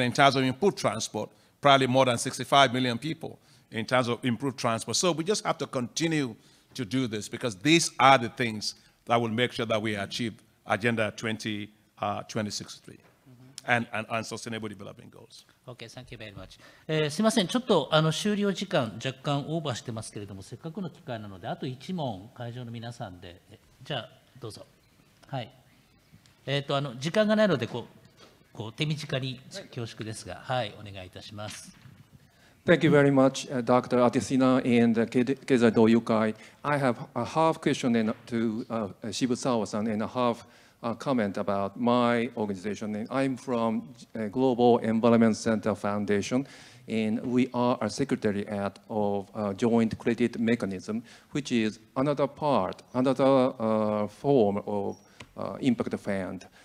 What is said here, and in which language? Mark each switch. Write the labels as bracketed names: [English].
[English] and in terms of input transport, probably more than 65 million people in terms of improved transport. So we just have to continue to do this because these are the things that will make sure that we achieve Agenda 2063 and sustainable development goals. Okay, thank you very much. [Japanese] すみません、ちょっと終了時間若干オーバーしてますけれども、せっかくの機会なのであと1問会場の皆さんで、じゃあどうぞ。はい。時間がないのでこう手短に恐縮ですが、はい、お願いいたします。 [English] Thank you very much, Dr. Adesina and Keizai Doyukai. I have a half question to Shibusawa-san and a half comment about my organization. And I'm from Global Environment Center Foundation, and we are a secretary at of Joint Credit Mechanism, which is another part, another form of Impact Fund.